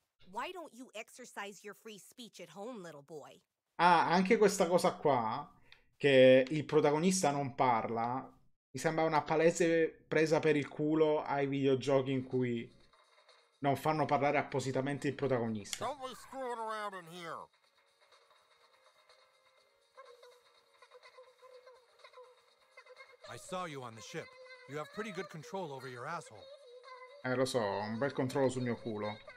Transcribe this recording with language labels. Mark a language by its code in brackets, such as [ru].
[en] Why don't you exercise your free speech at home, little boy? [it] Ah, anche questa cosa qua, che il protagonista non parla, mi sembra una palese presa per il culo ai videogiochi in cui non fanno parlare appositamente il protagonista. [en] Don't be screwing around in here. I saw you on the ship. You have pretty good control over your asshole. [it] Lo so, ho un bel controllo sul mio culo.